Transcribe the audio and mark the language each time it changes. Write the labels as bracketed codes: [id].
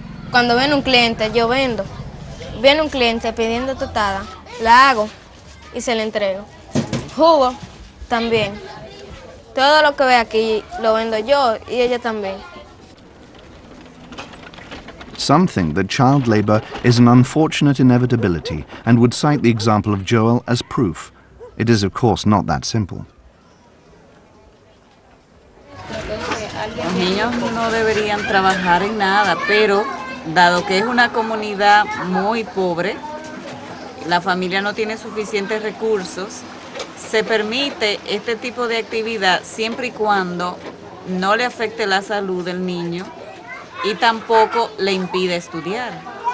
[es] Cuando viene un cliente, yo vendo. Viene un cliente pidiendo tostada, la hago y se la entrego. Jugo también. Todo lo que ve aquí lo vendo yo y ella también. [en] Something that child labor is an unfortunate inevitability and would cite the example of Joel as proof. It is, of course, not that simple. [es] Los niños no deberían trabajar en nada, pero dado que es una comunidad muy pobre, la familia no tiene suficientes recursos, se permite este tipo de actividad siempre y cuando no le afecte la salud del niño y tampoco le impide estudiar.